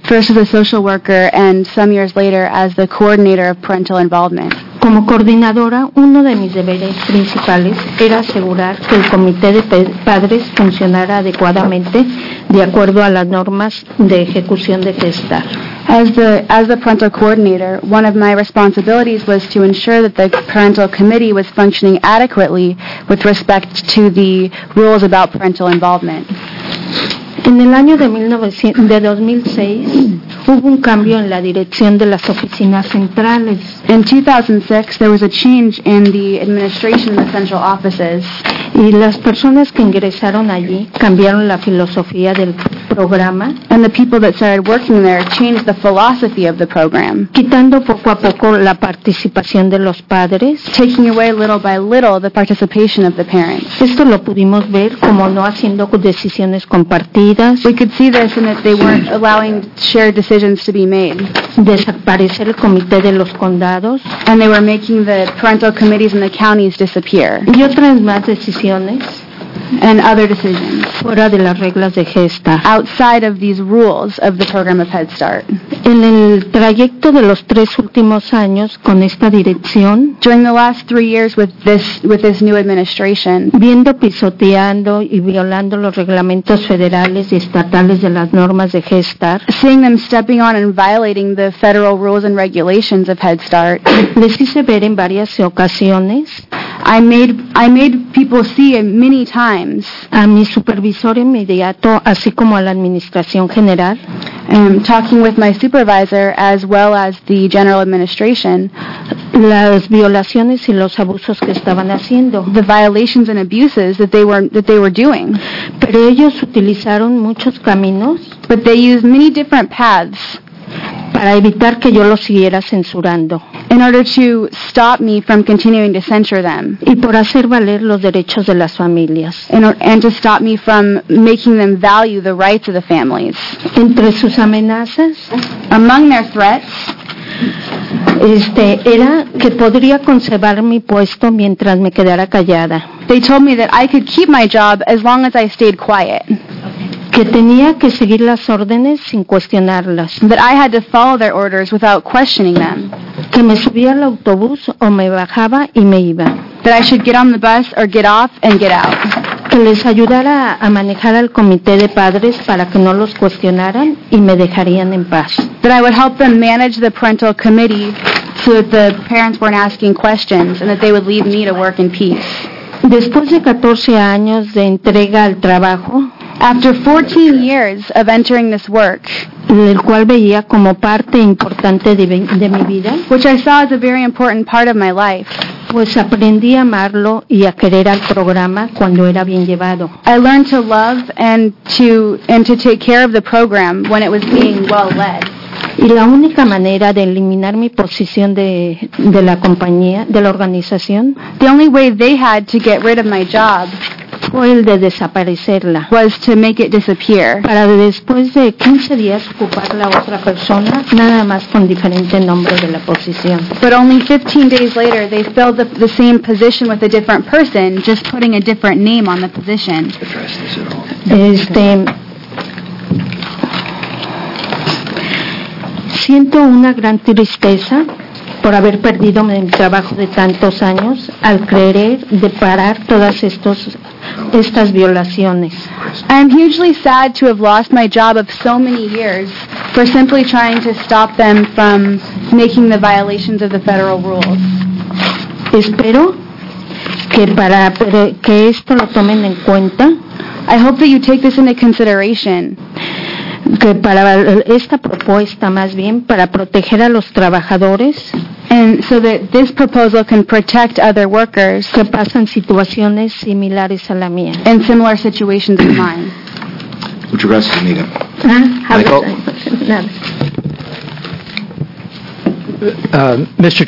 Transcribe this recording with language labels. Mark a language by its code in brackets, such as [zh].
[en] First as a social worker and some years later as the coordinator of parental involvement. [es] Como coordinadora, uno de mis deberes principales era asegurar que el comité de padres funcionara adecuadamente de acuerdo a las normas de ejecución de GESTAR. [en] As the parental coordinator, one of my responsibilities was to ensure that the parental committee was functioning adequately with respect to the rules about parental involvement. [es] En el año de 2006, hubo un cambio en la dirección de las oficinas centrales. [en] In 2006, there was a change in the administration of the central offices. [es] Y las personas que ingresaron allí cambiaron la filosofía del programa, [en] and the people that started working there changed the philosophy of the program, [es] quitando poco a poco la participación de los padres, [en] taking away little by little the participation of the parents. [es] Esto lo pudimos ver como no haciendo decisiones compartidas. [en] We could see this in that they weren't allowing shared decisions to be made. [es] Desaparecer el comité de los condados, [en] and they were making the parental committees in the counties disappear. [es] Y otras más decisiones. [en] And other decisions. [es] Fuera de las reglas de GESTA. [en] Outside of these rules of the program of Head Start. [es] En el trayecto de los tres últimos años con esta dirección. [en] During the last 3 years with this new administration. [es] Viendo, pisoteando y violando los reglamentos federales y estatales de las normas de GESTA. [en] Seeing them stepping on and violating the federal rules and regulations of Head Start. [es] Les hice ver en varias ocasiones. [en] I made people see it many times. [es] A mi supervisor inmediato, así como a la administración general. [en] Talking with my supervisor as well as the general administration. [es] Las violaciones y los abusos que estaban haciendo. [en] The violations and abuses that they were doing. [es] Pero ellos utilizaron muchos caminos. [en] But they used many different paths. [es] Para evitar que yo los siguiera censurando. [en] In order to stop me from continuing to censure them. [es] Y por hacer valer los derechos de las familias. [en] And to stop me from making them value the rights of the families. [es] Entre sus amenazas. [en] Among their threats. [es] Era que podría conservar mi puesto mientras me quedara callada. [en] They told me that I could keep my job as long as I stayed quiet. [es] Que tenía que seguir las órdenes sin cuestionarlas. [en] That I had to follow their orders without questioning them. [es] Que me subía al autobús o me bajaba y me iba. [en] That I should get on the bus or get off and get out. [es] Que les ayudara a manejar al comité de padres para que no los cuestionaran y me dejarían en paz. [en] That I would help them manage the parental committee so that the parents weren't asking questions and that they would leave me to work in peace. [es] Después de 14 años de entrega al trabajo. [en] After 14 years of entering this work, [es] el cual veía como parte importante de mi vida, [en] which I saw as a very important part of my life, [es] pues aprendí a amarlo y a querer al programa cuando era bien llevado. [en] I learned to love and to take care of the program when it was being well led. [es] Y la única manera de eliminar mi posición de la compañía, de la organización, [en] the only way they had to get rid of my job, [es] fue el de desaparecerla. [en] Was to make it disappear. [es] Para después de 15 días ocupar la otra persona, nada más con diferente nombre de la posición. [en] But only 15 days later, they filled the same position with a different person, just putting a different name on the position. [es] Siento una gran tristeza por haber perdido mi trabajo de tantos años al querer deparar todas estas violaciones. [en] I am hugely sad to have lost my job of so many years for simply trying to stop them from making the violations of the federal rules. [es] Espero que para que esto lo tomen en cuenta. [en] I hope that you take this into consideration. [es] Que para esta propuesta más bien para proteger a los trabajadores, [en] and so that this proposal can protect other workers, [es] que pasan situaciones similares a la mía, [en] and similar situations as mine. [es] Muchas gracias, amiga. Michael. [en] Mr.